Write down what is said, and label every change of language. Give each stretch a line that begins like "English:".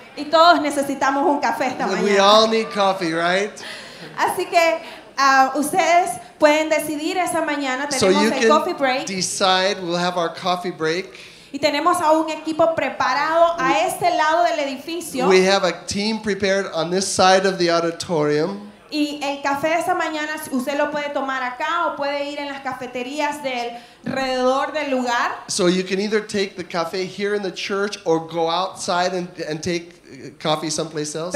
Spanish: Y todos necesitamos un café esta mañana.
English: We all need coffee, right?
Spanish: Así que ustedes pueden decidir esa mañana tenemos el coffee break.
English: So you can decide. We'll have our coffee break.
Spanish: Y tenemos a un equipo preparado a este lado del edificio.
English: We have a team prepared on this side of the auditorium.
Spanish: Y el café de esta mañana usted lo puede tomar acá o puede ir en las cafeterías del alrededor del lugar.
English: So you can either take the café here in the church or go outside and take coffee someplace else.